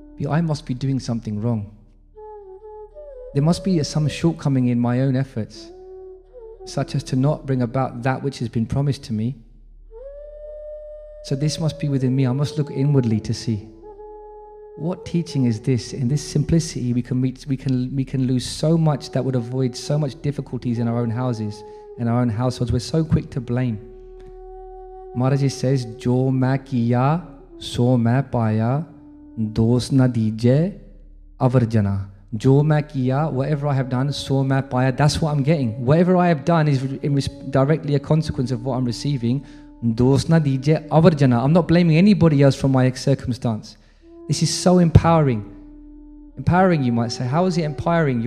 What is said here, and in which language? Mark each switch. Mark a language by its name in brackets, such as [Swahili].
[English] I must be doing something wrong. There must be some shortcoming in my own efforts, such as to not bring about that which has been promised to me. So this must be within me. I must look inwardly to see. What teaching is this? In this simplicity, we can lose so much that would avoid so much difficulties in our own houses, in our own households. We're so quick to blame. [Punjabi] Maharaj says, ਜੋ ਮਾ ਕੀਆ, ਸੋ ਮਾ ਪਾਇਆ, ਦੋਸ ਨਾ ਦੀਜੇ, ਅਵਰਜਨਾ. [English] Jo ma kiya, whatever I have done, so ma paya, that's what I'm getting. Whatever I have done is directly a consequence of what I'm receiving. [Punjabi] Dos na dije, avarjana. [English] I'm not blaming anybody else for my circumstance. This is so empowering. Empowering, you might say. How is it empowering?